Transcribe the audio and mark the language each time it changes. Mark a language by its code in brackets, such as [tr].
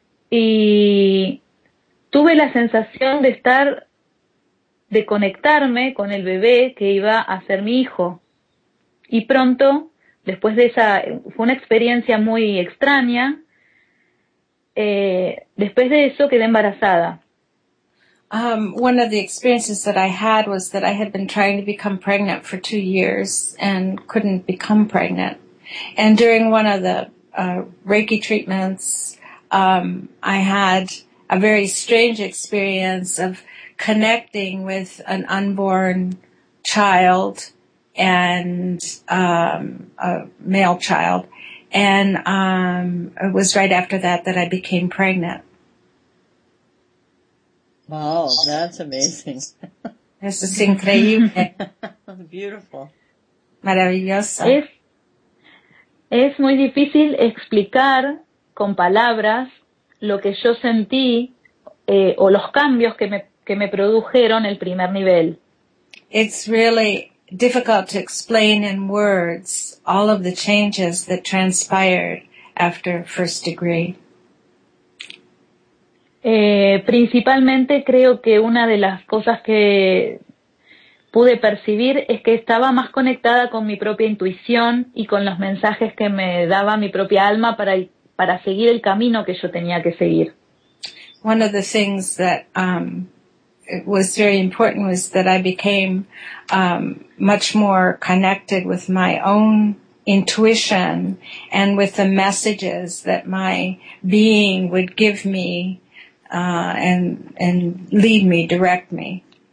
[es] y tuve la sensación de estar, de conectarme con el bebé que iba a ser mi hijo, y pronto, después de esa, fue una experiencia muy extraña. Después de eso, quedé embarazada. [en] One of the experiences that I had was that I had been trying to become pregnant for 2 years and couldn't become pregnant. And during one of the Reiki treatments, I had a very strange experience of connecting with an unborn child and a male child. And it was right after that I became pregnant. Wow, that's amazing. [es] Eso es increíble. [en] Beautiful. [es] Maravilloso. Es muy difícil explicar con palabras lo que yo sentí o los cambios que me produjeron el primer nivel. [en] It's really difficult to explain in words all of the changes that transpired after first degree. [es] Principalmente creo que una de las cosas que pude percibir es que estaba más conectada con mi propia intuición y con los mensajes que me daba mi propia alma para seguir el camino que yo tenía que seguir. [en] One of the things that was very important was that I became much more connected with my own intuition and with the messages that my being would give me and lead me, direct me.